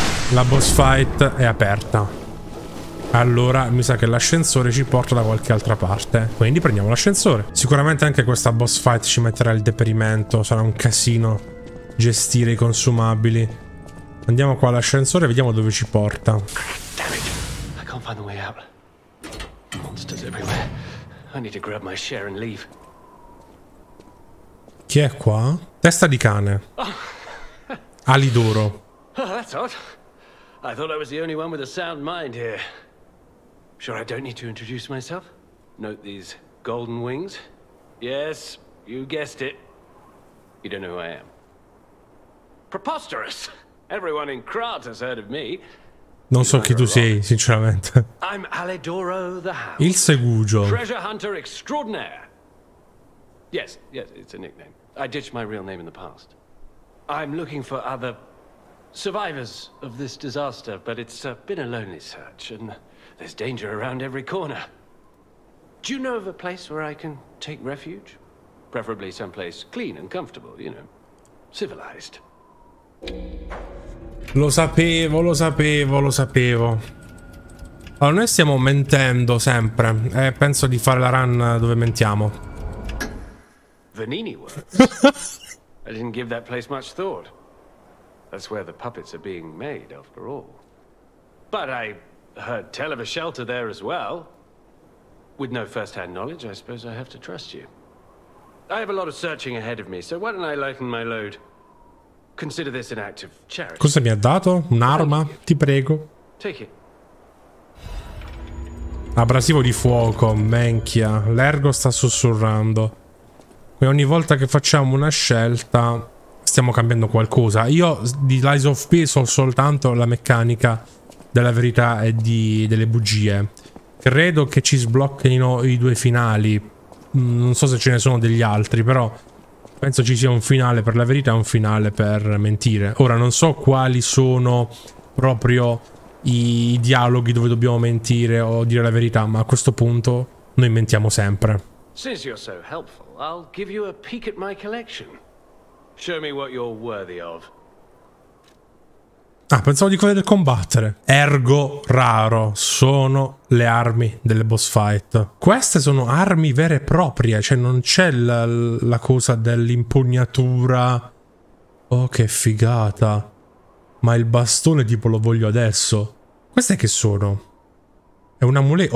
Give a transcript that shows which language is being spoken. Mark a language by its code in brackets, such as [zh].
[it] La boss fight è aperta. Allora mi sa che l'ascensore ci porta da qualche altra parte. Quindi prendiamo l'ascensore. Sicuramente anche questa boss fight ci metterà il deperimento. Sarà un casino gestire i consumabili. Andiamo qua all'ascensore e vediamo dove ci porta. [en] Find the way out. Monsters everywhere. I need to grab my share and leave. [it] Chi è qua? Testa di cane. Oh. Ali d'oro. [en] Oh, that's odd. I thought I was the only one with a sound mind here. Sure, I don't need to introduce myself. Note these golden wings. Yes, you guessed it. You don't know who I am. Preposterous. Everyone in Krat has heard of me. [it] Non so chi tu sei, sinceramente. [en] I'm Alidoro the Hound. [it] Il Segugio. [en] Treasure hunter extraordinaire. Yes, yes, it's a nickname. I ditched my real name in the past. I'm looking for other survivors of this disaster, but it's been a lonely search, and there's danger around every corner. Do you know of a place where I can take refuge? Preferably someplace clean and comfortable, you know, civilized. [it] Lo sapevo. Allora, noi stiamo mentendo sempre. Penso di fare la run dove mentiamo. Vanini Works. [en] I didn't give that place much thought. That's where the puppets are being made, after all. But I heard tell of a shelter there as well. With no first-hand knowledge, I suppose I have to trust you. I have a lot of searching ahead of me, so why don't I lighten my load? Consider this an act of charity. [it] Cosa mi ha dato? Un'arma? Ti prego. [en] Take it. [it] Abrasivo di fuoco, menchia. L'ergo sta sussurrando. E ogni volta che facciamo una scelta stiamo cambiando qualcosa. Io di Lies of P so soltanto la meccanica della verità e di, delle bugie. Credo che ci sblocchino i due finali. Non so se ce ne sono degli altri, però penso ci sia un finale per la verità e un finale per mentire. Ora non so quali sono proprio i dialoghi dove dobbiamo mentire o dire la verità, ma a questo punto noi mentiamo sempre. [en] Since you're so helpful, I'll give you a peek at my collection. Show me what you're worthy of. [it] Ah, pensavo di quelle del combattere. Ergo raro, sono le armi delle boss fight. Queste sono armi vere e proprie, cioè non c'è la cosa dell'impugnatura. Oh, che figata. Ma il bastone tipo lo voglio adesso. Queste che sono? È un amuleto.